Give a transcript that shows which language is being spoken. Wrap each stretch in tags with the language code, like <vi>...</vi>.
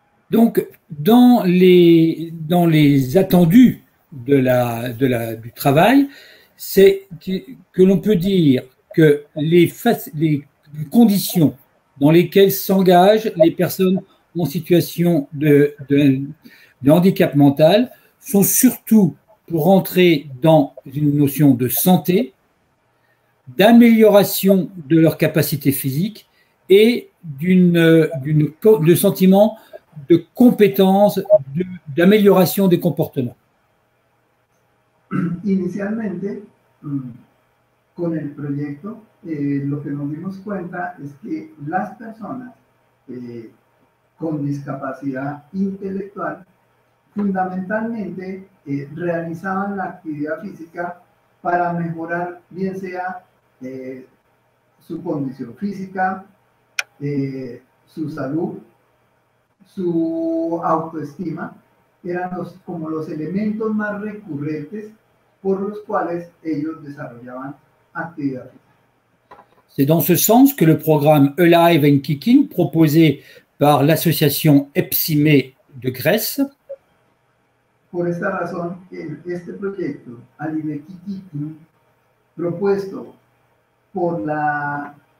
<fr>Donc, dans les attendus du travail, c'est que l'on peut dire que les conditions dans lesquelles s'engagent les personnes en situation de handicap mental sont surtout pour entrer dans une notion de santé, d'amélioration de leur capacité physique et de sentiment de compétences, d'amélioration des comportements.</fr> <es>Inicialmente, con el proyecto, lo que nos dimos cuenta es que las personas con discapacidad intelectual fundamentalmente realizaban la actividad física para mejorar bien sea su condición física, su salud, su autoestima, eran como los elementos más recurrentes por los cuales ellos desarrollaban actividad.</es> <fr>C'est dans ce sens que le programme Alive and Kicking, proposé par l'association Epsime de Grèce.</fr> <es>Por esta razón, este proyecto Alive and Kicking, propuesto por la</es>